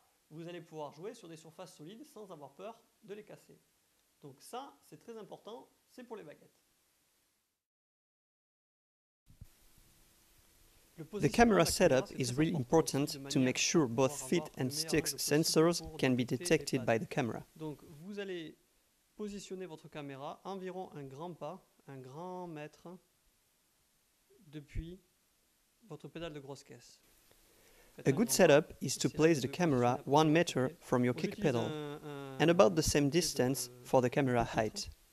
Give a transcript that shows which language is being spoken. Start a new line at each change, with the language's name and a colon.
French: Vous allez pouvoir jouer sur des surfaces solides sans avoir peur de les casser. Donc ça, c'est très important, c'est pour les baguettes.
English: The camera setup is really important to make sure both feet and sticks sensors can be detected by the camera.
French: Donc vous allez positionner votre caméra environ un grand pas, un grand mètre depuis votre pédale de grosse caisse.
English: A good setup is to place the camera 1 meter from your kick pedal and about the same distance for the camera height.